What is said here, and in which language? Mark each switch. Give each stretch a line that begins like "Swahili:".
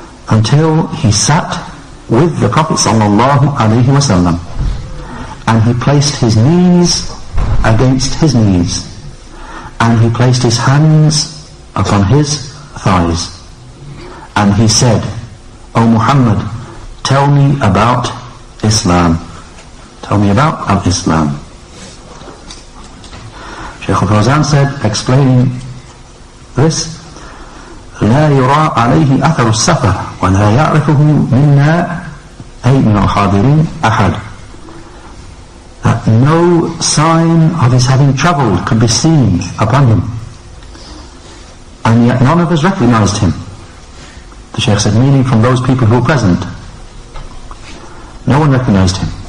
English: until he sat with the Prophet sallallahu alaihi wasallam, and he placed his knees against his knees, and he placed his hands upon his thighs, and he said, O Muhammad, tell me about Islam. Tell me about Islam. Shaykh al-Fawzan said, explaining this,
Arabic: لَا يُرَى عَلَيْهِ أَثَرُ السَّفَرُ وَلَا يَعْرِفُهُ مِنَّا أَيْ مِنَ الْحَاضِرِينَ أَحَدٌ.
English: That no sign of his having travelled could be seen upon him, and yet none of us recognised him. The Shaykh said, meaning from those people who were present, no one recognised him.